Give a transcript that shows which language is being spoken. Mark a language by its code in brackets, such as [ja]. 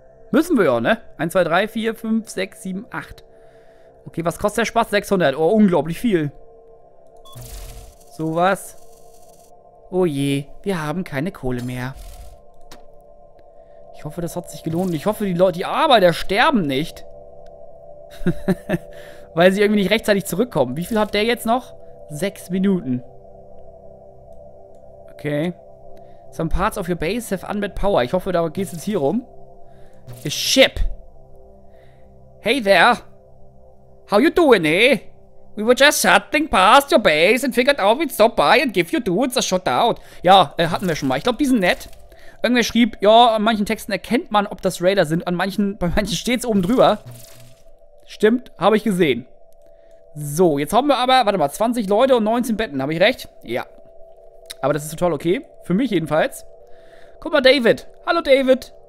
[de] Müssen wir ja, ne? 1, 2, 3, 4, 5, 6, 7, 8. Okay, was kostet der Spaß? 600. Oh, unglaublich viel. Sowas. Oh je, wir haben keine Kohle mehr. Ich hoffe, das hat sich gelohnt. Ich hoffe, die Arbeiter sterben nicht. Weil sie irgendwie nicht rechtzeitig zurückkommen. Wie viel hat der jetzt noch? 6 Minuten. Okay. [en] Some parts of your base have unmet power. [de] Ich hoffe, da geht es jetzt hier rum. [en] A ship. Hey there. How you doing, eh? We were just shuttling past your base and figured out we'd stop by and give you dudes a shot out. [de] Ja, hatten wir schon mal. Ich glaube, die sind nett. Irgendwer schrieb, ja, an manchen Texten erkennt man, ob das Raider sind. Bei manchen steht es oben drüber. Stimmt, habe ich gesehen. So, jetzt haben wir aber, warte mal, 20 Leute und 19 Betten. Habe ich recht? Ja. Aber das ist total okay. Für mich jedenfalls. Guck mal, David. Hallo, David.